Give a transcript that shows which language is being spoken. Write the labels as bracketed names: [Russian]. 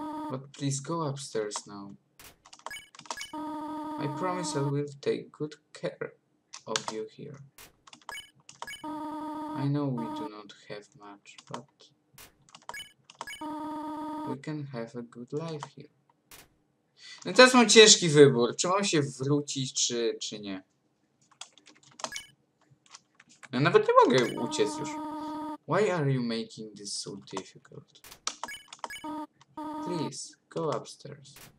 [English] But please go upstairs now. I promise I will take good care of you here. I know we do not have much, but... We can have a good life here. [Polish] No teraz mam ciężki wybór, czy mam się wrócić, czy nie. Ja nawet nie mogę uciec już. [English] Why are you making this so difficult? Please, go upstairs.